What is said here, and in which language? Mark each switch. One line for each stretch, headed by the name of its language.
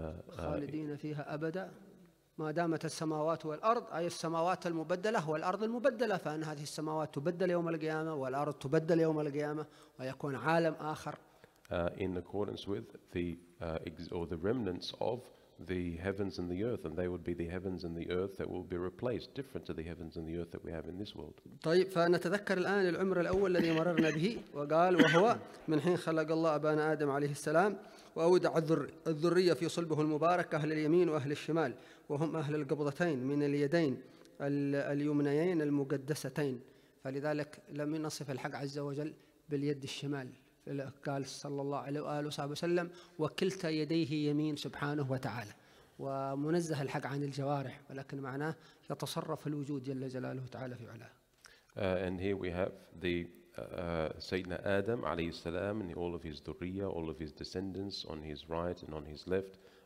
Arabic: خالدين فيها أبدا ما دامت السماوات والأرض أي السماوات المبدلة والأرض المبدلة فإن هذه السماوات تبدل يوم القيامة والأرض تبدل يوم القيامة ويكون عالم آخر.
English: In accordance with the or the remnants of the heavens and the earth and they would be the heavens and the earth that will be replaced different to the heavens and the earth that we have in this world.
Arabic: طيب فنتذكر الآن العمر الأول الذي مررنا به وقال وهو من حين خلق الله أبانا آدم عليه السلام وأودع الذرية في صلبه المبارك أهل اليمين وأهل الشمال وهم أهل القبضتين من اليدين اليمنيين المقدستين فلذلك لم ينصف الحق عز وجل باليد الشمال قال صلى الله عليه وآله وصحبه وسلم وكلتا يديه يمين سبحانه وتعالى ومنزه الحق عن الجوارح ولكن معناه يتصرف الوجود جل جلاله تعالى في علاه.
English: And here we have the Sayyidina Adam
Arabic: عليه السلام
English: and all of his dhurriya, all of his descendants on his right and on his left.